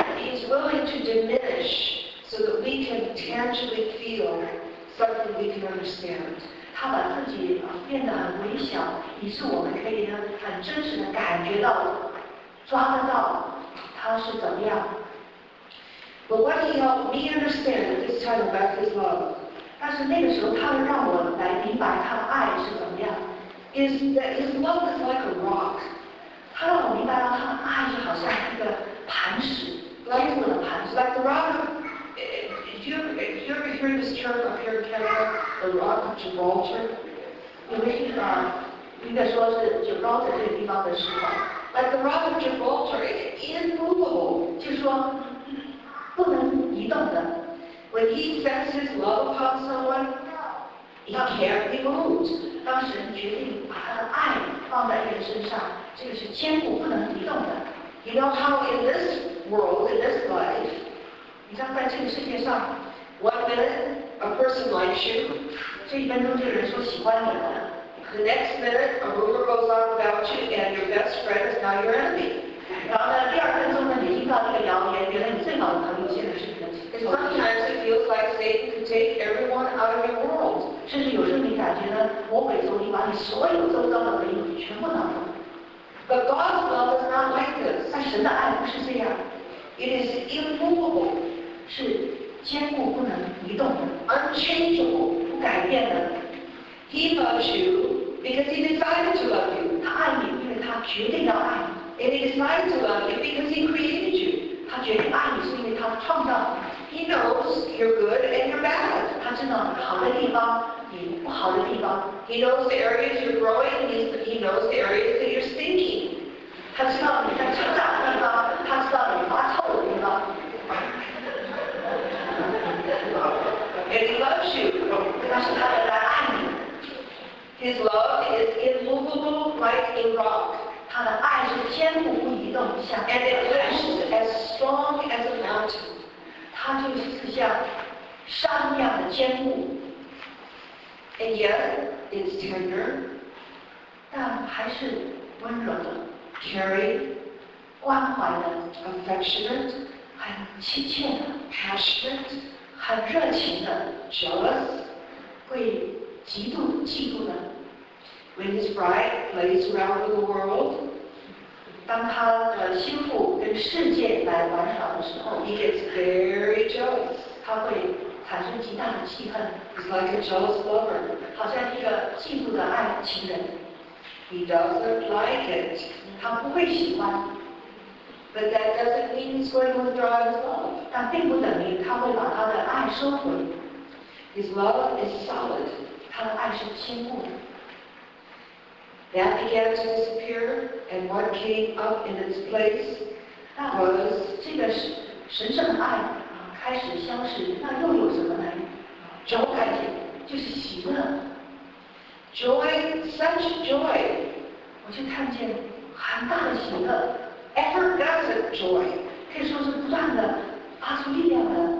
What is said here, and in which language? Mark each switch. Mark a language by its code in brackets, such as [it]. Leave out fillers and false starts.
[en] He's willing to diminish so that we can tangibly feel something we can understand. [zh] 他把自己变得很微小，以致我们可以呢很真实的感觉到、抓得到他是怎么样。 [en] But what he helped me understand at this time about his love. [zh] 但是那个时候，他会让我来明白他的爱是怎么样。 [en] Is that his love is like a rock. [zh] 他让我明白了，他的爱就好像一个磐石，坚固的磐石。 [en] Like the rock, if you ever hear this term up here in Canada, the rock of Gibraltar. [zh] 你们听啊，应该说是 Gibraltar 这个地方的石头。 [en] Like the rock of Gibraltar, immovable, [zh] 就是说不能移动的。 [en] When he sets his love upon someone, it can't be moved. [zh] 当神决定把他的爱放在人身上。这个是坚固不能移动的。 [en] You know how in this world, in this life, [zh] 你知道在这个世界上 [en] ，one minute a person likes you， [zh] 这一分钟这个人说喜欢你了。 [en] The next minute a rumor goes on about you and your best friend is now your enemy。 [zh] 然后呢，第二分钟呢，你听到一个谣言，原来你最好的朋友现在是你的敌人。 [en] Sometimes it feels like Satan can take everyone out of your world。 [zh] 甚至有时候你感觉呢，魔鬼从你把你所有周遭的朋友全部拿走。 [en] But God's love is not like this. [zh] 但神的爱不是这样。 [en] It is immovable. [zh] 是坚固不能移动的。 [en] Unchangeable. [zh] 不改变的。 [en] He loves you because he decided to love you. [zh] 他爱你，因为他决定要爱你。 [en] And he decided to love you because he created you. [zh] 他决定爱你是因为他创造你。 [en] He knows you're good and you're bad. [zh] 他知道好的地方。不好的地方。 [en] He knows the areas you're growing. He knows the areas that you're stinking. [zh] 他知道你在成长的地方，他知道你发臭的地方。 [en] And he loves you. [zh] 但是他仍然爱你。 [en] His love is immovable like a rock. [zh] 他的爱是坚固不移动，像。 [en] And it lasts as strong as a mountain. [zh] 他就是像山一样的坚固。 [en] And yet, it's tender. [zh] 但还是温柔的 [en] caring, [zh] 关怀的 [en] affectionate, [zh] 很亲切的 [en] passionate, [zh] 很热情的 [en] jealous, [zh] 会极度嫉妒的 [en] When his bride plays around with the world, [zh] 当他的心腹跟世界来玩耍的时候 [en] he gets very jealous. [zh] 他会产生极大的气氛 [en] He's like a jealous lover. [zh] 好像一个嫉妒的爱情人。 [en] He doesn't like it. [zh] 他不会喜欢。 [en] But that doesn't mean he's going to withdraw his love. [zh] 但并不等于他会把他的爱收回。 [en] His love is solid. [zh] 他的爱是坚固的。 [en] That began to disappear, and what came up in its place was [zh] 这个神圣的爱。开始消失，那又有什么呢？ [en] Joy [zh] 就是喜乐。 [en] Joy, such joy. [zh] 我就看见很大的喜乐。 [en] Effervescent joy. [zh] 可以说是不断的发出力量的。